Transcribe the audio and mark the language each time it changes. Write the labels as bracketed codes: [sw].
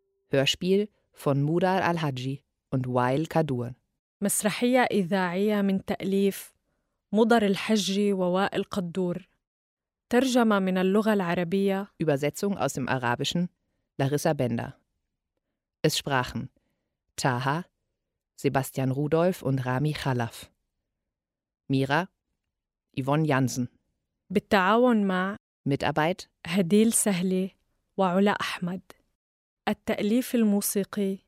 [de] Hörspiel von Mudar Al-Hajji und Wael Kadur. [ar] مسرحية إذاعية من تأليف مضر الحجي ووائل قدور ترجمة من اللغة العربية [de] Übersetzung aus dem Arabischen Larissa Bender. Es sprachen Taha, Sebastian Rudolf und Rami Khalaf. Mira, Yvonne Jansen. [ar] بالتعاون مع [de] Mitarbeit [ar] هديل سهلي وعلا أحمد. التأليف الموسيقي